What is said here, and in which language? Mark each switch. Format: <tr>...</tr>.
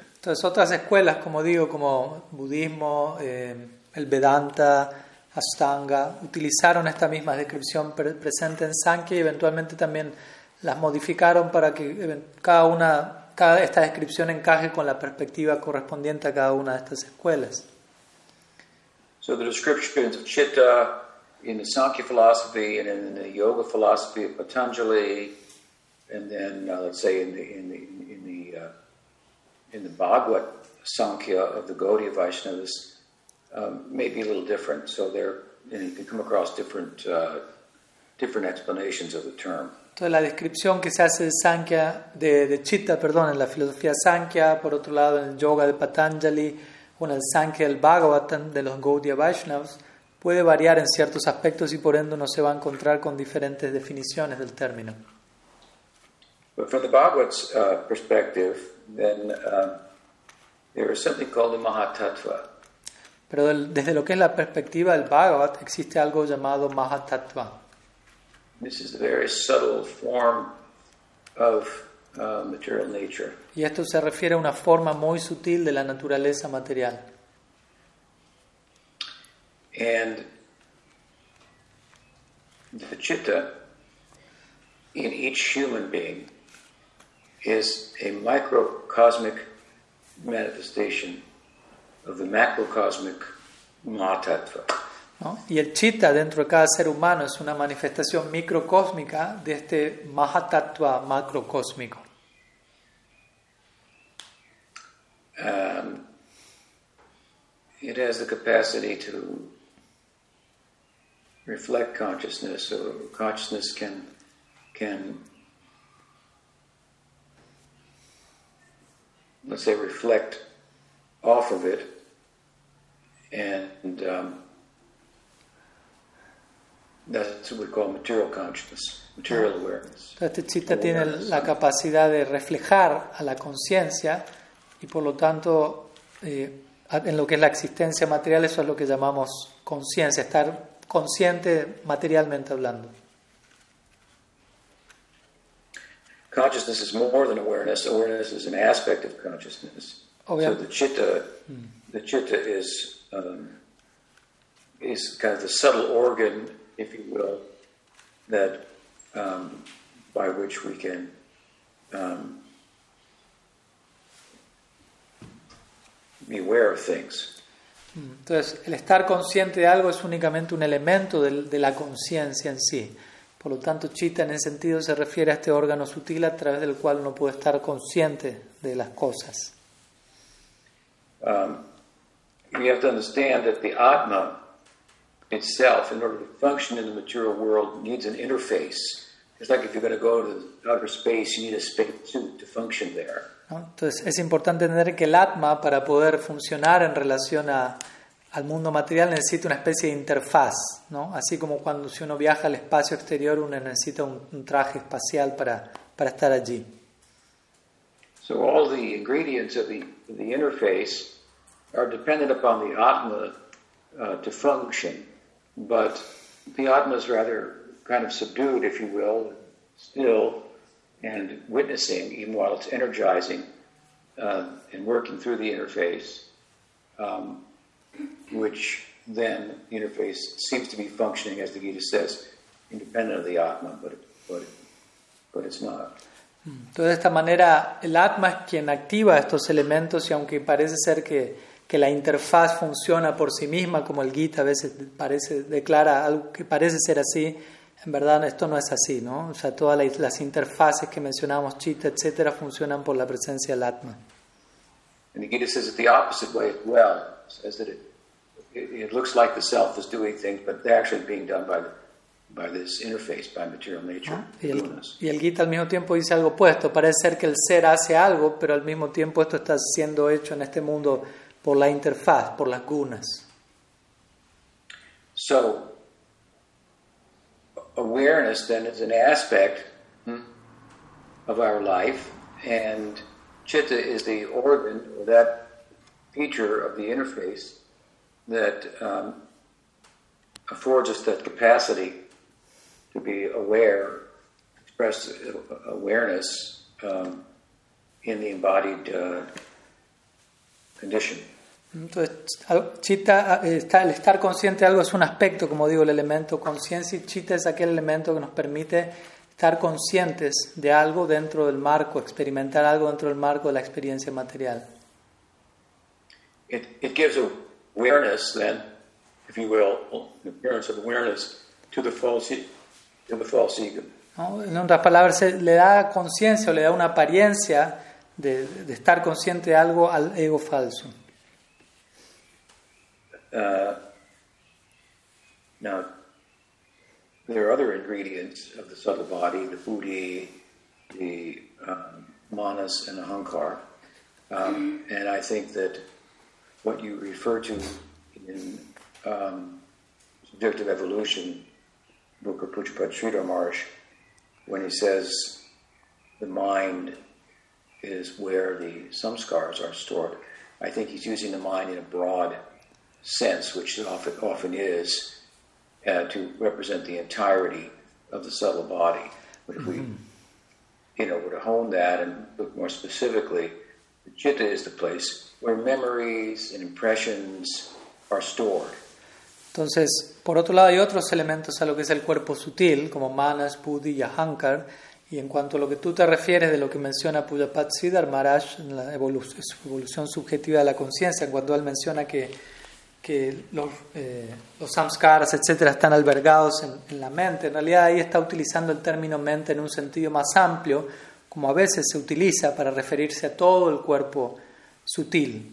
<es>Entonces otras escuelas, como digo, como budismo, el Vedanta, Ashtanga, utilizaron esta misma descripción presente en Sankhya y eventualmente también las modificaron para que cada una, cada esta descripción encaje con la perspectiva correspondiente a cada una de estas escuelas.</es> <en>So the descriptions of citta in the Sankhya philosophy and in the yoga philosophy of Patanjali, and then let's say in the Bhagavad Sankhya of the Gaudiya Vaishnavas, may be a little different. So there, you know, you can come across different explanations of the term.</en> <es>Entonces la descripción que se hace de Sankhya, de Chitta, perdón, en la filosofía Sankhya, por otro lado en el Yoga de Patanjali, o en el Sankhya del Bhagavatam de los Gaudiya Vaishnavas, puede variar en ciertos aspectos y por ende no se va a encontrar con diferentes definiciones del término.</es> <en>But from the Bhagavad's perspective, then there is something called the Mahatattva.</en> <es>Pero desde lo que es la perspectiva del Bhagavat, existe algo llamado Mahatattva.</es> <en>This is a very subtle form of material nature.</en> <es>Y esto se refiere a una forma muy sutil de la naturaleza material.</es> <en>And the citta in each human being is a microcosmic manifestation of the macrocosmic Mahatattva.</en> <es>¿No? Y el chitta dentro de cada ser humano es una manifestación microcósmica de este Mahatattva macrocósmico.</es> <en>It has the capacity to reflect consciousness, or consciousness can let's say reflect off of it. And that's what we call material consciousness, material awareness.</en> <es>Entonces, este chitta tiene la capacidad de reflejar a la conciencia y por lo tanto en lo que es la existencia material, eso es lo que llamamos conciencia, estar consciente materialmente hablando.</es> <en>Consciousness is more than awareness. Awareness is an aspect of consciousness.</en> <es>Obviamente.</es> <en>So the chitta is is kind of the subtle organ, if you will, that by which we can be aware of things.</en> <es>Entonces, el estar consciente de algo es únicamente un elemento de la conciencia en sí. Por lo tanto, chitta en ese sentido se refiere a este órgano sutil a través del cual uno puede estar consciente de las cosas.</es> <en>We have to understand that the Atma itself, in order to function in the material world, needs an interface. It's like if you're going to go to outer space, you need a space suit to function there.</en> <es>Entonces, es importante entender que el Atma, para poder funcionar en relación al mundo material, necesita una especie de interfaz, ¿no? Así como cuando si uno viaja al espacio exterior, uno necesita un traje espacial para estar allí.</es> <en>So all the ingredients of the interface are dependent upon the Atma to function, but the Atma is rather kind of subdued, if you will, still and witnessing, even while it's energizing and working through the interface, which then the interface seems to be functioning, as the Gita says, independent of the Atma, but it's not.</en> <es>Entonces, de esta manera, el Atma es quien activa estos elementos, y aunque parece ser que la interfaz funciona por sí misma, como el Gita a veces declara algo que parece ser así, en verdad esto no es así, ¿no? O sea, todas las interfaces que mencionamos, chitta, etcétera, funcionan por la presencia del Atma.</es> <en>And the Gita says it the opposite way as well. It says that it looks like the self is doing things, but they're actually being done by this interface, by material nature.</en> <es>Y el Gita al mismo tiempo dice algo opuesto. Parece ser que el ser hace algo, pero al mismo tiempo esto está siendo hecho en este mundo por la interfaz, por las gunas.</es> <en>So, awareness then is an aspect of our life, and chitta is the organ, or that feature of the interface that affords us that capacity to be aware express awareness in the embodied condition.</en> <es>Entonces, chitta, el estar consciente de algo es un aspecto, como digo, el elemento conciencia, y chitta es aquel elemento que nos permite estar conscientes de algo dentro del marco, experimentar algo dentro del marco de la experiencia material.</es> <en>It gives awareness, then, if you will, an appearance of awareness to the false ego.</en> <es>No, en otras palabras, le da conciencia o le da una apariencia de estar consciente de algo al ego falso.</es> <en>Now, there are other ingredients of the subtle body, the buddhi, the manas, and the ahankar. And I think that what you refer to in Subjective Evolution, Book of Puchipad Sridhar Maharsh, when he says the mind is where the samskaras are stored, I think he's using the mind in a broad sense, which it often is, to represent the entirety of the subtle body. But if we, you know, were to hone that and look more specifically, the chitta is the place where memories and impressions are stored.</en> <es>Entonces, por otro lado, hay otros elementos a lo que es el cuerpo sutil, como manas, buddhi y ahankar. Y en cuanto a lo que tú te refieres de lo que menciona Pujapat Sridhar Maharaj en la evolución subjetiva de la conciencia, en cuanto él menciona que los samskaras, etcétera, están albergados en la mente. En realidad, ahí está utilizando el término mente en un sentido más amplio, como a veces se utiliza para referirse a todo el cuerpo sutil.</es>